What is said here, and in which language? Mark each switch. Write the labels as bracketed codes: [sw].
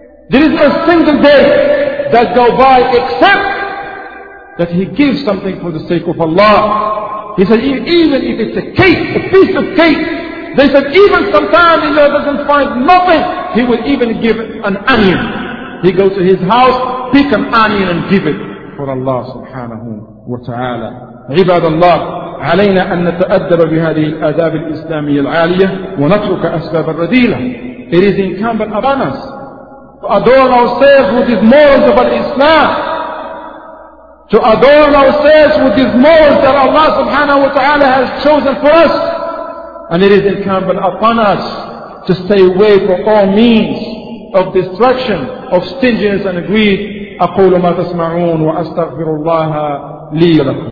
[en] There is a single day that go by except that he gives something for the sake of Allah. He said, even if it's a cake, a piece of cake, they said, even sometimes Allah doesn't find nothing, he will even give an onion. He goes to his house, pick an onion and give it for Allah subhanahu wa ta'ala. [ar] عباد الله علينا أن نتأدب بهذه الآداب الإسلامية العالية ونترك أسباب الرذيلة. [en] It is incumbent upon us to adorn ourselves with these morals of Islam, to adorn ourselves with these morals that Allah subhanahu wa ta'ala has chosen for us. And it is incumbent upon us to stay away from all means of destruction, of stinginess and greed. [ar] أقول ما تسمعون وأستغفر الله لي لكم.